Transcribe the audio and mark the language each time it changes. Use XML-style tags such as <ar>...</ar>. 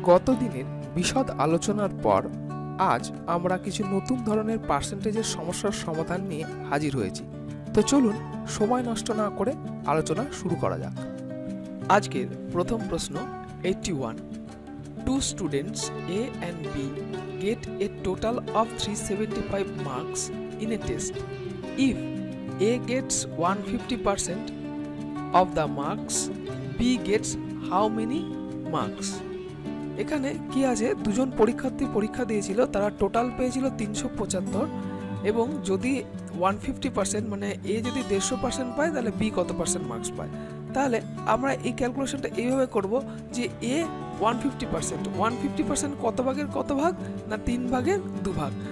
<bn>গতদিনের বিশদ আলোচনার পর আজ আমরা কিছু নতুন ধরনের পার্সেন্টেজের সমস্যার সমাধান নিয়ে হাজির হয়েছি। তো চলুন সময় নষ্ট না করে আলোচনা শুরু করা যাক। আজকের প্রথম প্রশ্ন</bn> <en>81। Two students A and B get a total of 375 marks in a test. If A gets 150% of the marks, B gets how many marks?</en> <bn>এখানে কি আছে, দুজন পরীক্ষার্থী পরীক্ষা দিয়েছিল, তারা টোটাল পেয়েছিল 375, এবং যদি 150% মানে A যদি 150% পায় তাহলে B কত পার্সেন্ট মার্কস পায়। তাহলে আমরা এই ক্যালকুলেশনটা এইভাবে করব যে A 150%, 150% কত ভাগের কত ভাগ, না 3 ভাগের 2 ভাগ।</bn>